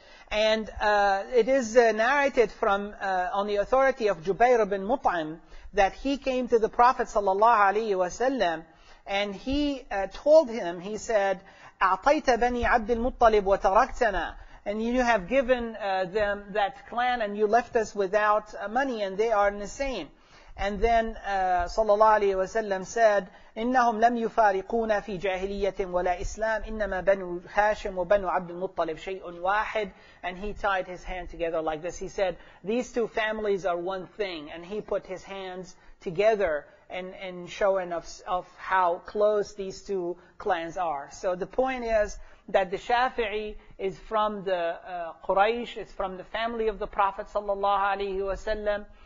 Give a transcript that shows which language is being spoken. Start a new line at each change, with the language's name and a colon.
English: And it is narrated from on the authority of Jubayr ibn Mut'im that he came to the Prophet sallallahu alaihi wasallam and he told him, he said,
Arabic: أعطيت بني عبد المطلب وتركتنا,
English: and you have given them that clan and you left us without money, and they are in the same. And then
Arabic: صلى الله عليه وسلم
English: said,
Arabic: إنهم لم يفارقونا في جاهلية ولا إسلام, إنما بنو هاشم وبنو عبد المطلب شيء واحد.
English: And he tied his hand together like this. He said, these two families are one thing. And he put his hands together and showing of how close these two clans are. So the point is that the Shafi'i is from the Quraysh, it's from the family of the Prophet sallallahu alaihi wasallam.